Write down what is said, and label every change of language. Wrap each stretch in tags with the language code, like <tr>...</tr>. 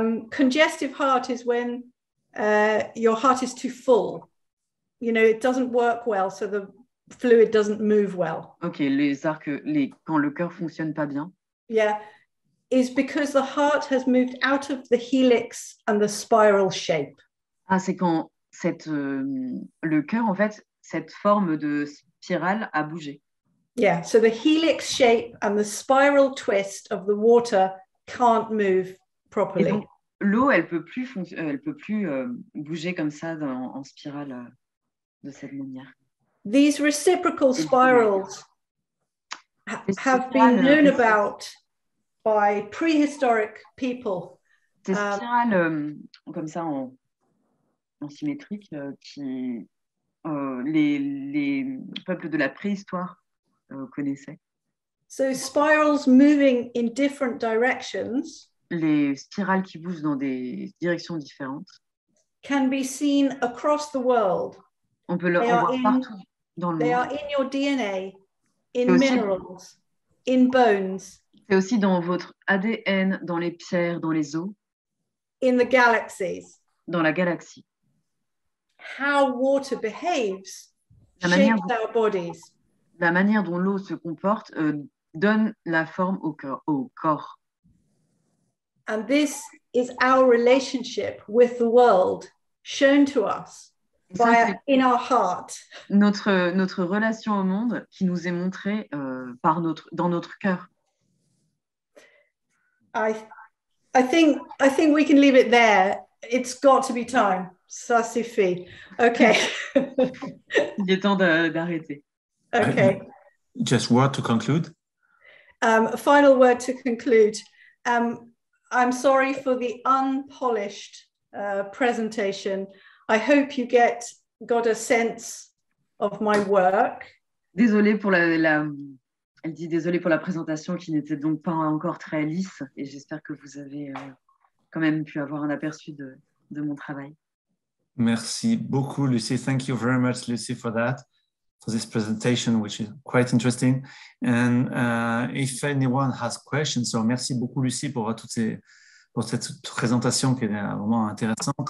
<en>congestive heart is when your heart is too full. You know, it doesn't work well, so the fluid doesn't move well.</en> <fr>Okay, quand le cœur fonctionne pas bien.</fr> <en>Yeah, is because the heart has moved out of the helix and the spiral shape.</en> <fr>Ah, c'est quand le cœur, en fait, cette forme de spirale a bougé.</fr> <en>Yeah, so the helix shape and the spiral twist of the water can't move properly.</en> <fr>Et donc, l'eau, elle peut plus bouger comme ça en spirale de cette manière.</fr> <en>These reciprocal spirals have been known about by prehistoric people.</en> <fr>Ces spirales comme ça en symétrique qui les peuples de la préhistoire connaissait.</fr> <en>So spirals moving in different directions,</en> <fr>les spirales qui bougent dans des directions différentes,</fr> <en>can be seen across the world.</en> <fr>On peut les voir partout dans le monde.</fr> <en>They are in your DNA, in minerals, in bones.</en> <fr>C'est aussi dans votre ADN, dans les pierres, dans les os.</fr> <en>In the galaxies.</en> <fr>Dans la galaxie.</fr> <en>How water behaves shapes our bodies.</en> <fr>La manière dont l'eau se comporte donne la forme au corps.</fr> <en>And this is our relationship with the world shown to us in our heart.</en> <fr>Notre relation au monde qui nous est montrée dans notre cœur.</fr> <en>I think we can leave it there. It's got to be time.</en> <fr>Ça c'est fait.</fr> <en>Okay.</en> <fr>Il est temps d'arrêter.</fr> <en>Okay. Just word to conclude. Final word to conclude. I'm sorry for the unpolished presentation. I hope you got a sense of my work.</en> <fr>Désolée pour elle dit désolée pour la présentation qui n'était donc pas encore très lisse, et j'espère que vous avez quand même pu avoir un aperçu de mon travail. Merci beaucoup,</fr> <en>Luci. Thank you very much, Luci, for that. For this presentation, which is quite interesting, and if anyone has questions, so</en> <fr>merci beaucoup Luci pour cette présentation qui est vraiment intéressante.</fr>